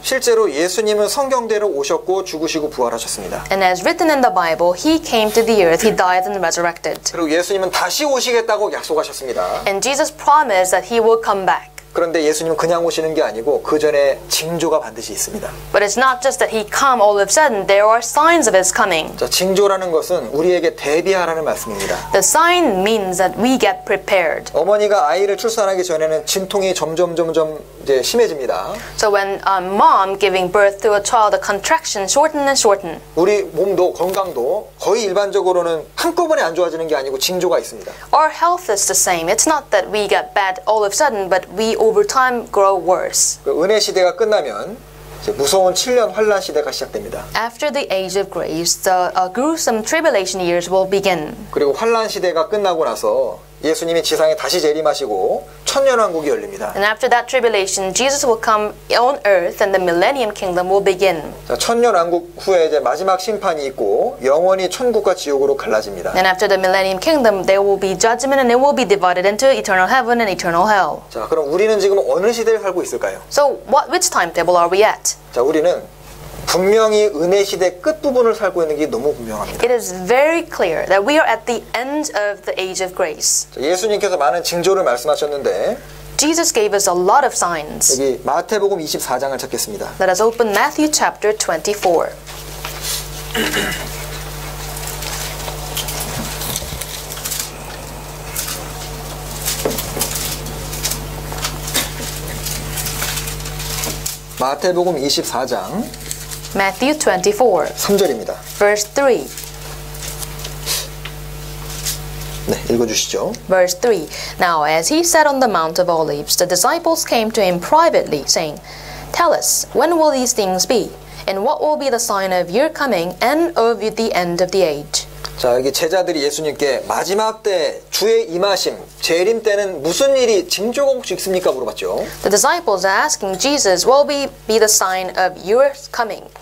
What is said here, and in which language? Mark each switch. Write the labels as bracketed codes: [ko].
[ko] 실제로 예수님은 성경대로 오셨고 죽으시고 부활하셨습니다. [en] And as written in the Bible, he came to the earth, he died and resurrected. [ko] 그리고 예수님은 다시 오시겠다고 약속하셨습니다. [en] And Jesus promised that he will come back. [ko] 그런데 예수님은 그냥 오시는 게 아니고 그 전에 징조가 반드시 있습니다. [en] But it's not just that he come all of a sudden. There are signs of his coming. [ko] 자, 징조라는 것은 우리에게 대비하라는 말씀입니다. [en] The sign means that we get prepared. [ko] 어머니가 아이를 출산하기 전에는 진통이 점점 이제 심해집니다. [en] So when a mom giving birth to a child, the contraction shorten and shorten. [ko] 우리 몸도 건강도 거의 일반적으로는 한꺼번에 안 좋아지는 게 아니고 징조가 있습니다. [en] Our health is the same. It's not that we get bad all of a sudden, but we over time grow worse. [ko] 그 은혜 시대가 끝나면 이제 무서운 7년 환란 시대가 시작됩니다. [en] After the age of grace, the gruesome tribulation years will begin. [ko] 그리고 환란 시대가 끝나고 나서 예수님이 지상에 다시 재림하시고 천년 왕국이 열립니다. [en] And after that tribulation, Jesus will come on earth and the millennium kingdom will begin. [ko] 자, 천년 왕국 후에 이제 마지막 심판이 있고 영원히 천국과 지옥으로 갈라집니다. [en] And after the millennium kingdom, there will be judgment and it will be divided into eternal heaven and eternal hell. [ko] 자, 그럼 우리는 지금 어느 시대를 살고 있을까요? [en] So what which timetable are we at? [ko] 자, 우리는 분명히 은혜 시대 끝부분을 살고 있는 게 너무 분명합니다. [en] It is very clear that we are at the end of the age of grace. [ko] 예수님께서 많은 징조를 말씀하셨는데 [en] Jesus gave us a lot of signs. [ko] 여기 마태복음 24장을 찾겠습니다. [en] Let us open Matthew chapter 24. [ko] 마태복음 24장 [en] Matthew 24 [ko] 3절입니다. [en] Verse 3. [ko] 네, 읽어 주시죠. [en] Verse 3. Now as he sat on the Mount of Olives, the disciples came to him privately saying, "Tell us, when will these things be? And what will be the sign of your coming and of the end of the age?" [ko] 자, 여기 제자들이 예수님께 마지막 때 주의 임하심, 재림 때는 무슨 일이 징조공식 있습니까? 물어봤죠. [en] The disciples are asking Jesus, "What will be the sign of your coming?"